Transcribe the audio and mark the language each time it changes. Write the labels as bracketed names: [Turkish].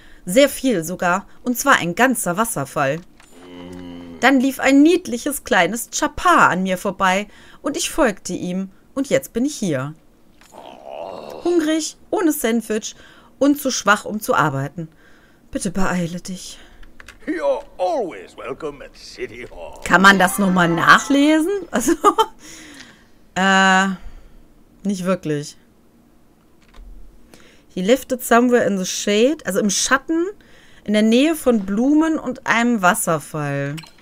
[German] Sehr viel sogar. Und zwar ein ganzer Wasserfall. Dann lief ein niedliches kleines Chapa an mir vorbei und ich folgte ihm. Und jetzt bin ich hier. Hungrig, ohne Sandwich und zu schwach, um zu arbeiten. Bitte beeile dich. [English] You're always welcome at City Hall. [German] Kann man das nochmal nachlesen? Also, nicht wirklich. [English] He lifted somewhere in the shade, [German] also im Schatten, in der Nähe von Blumen und einem Wasserfall.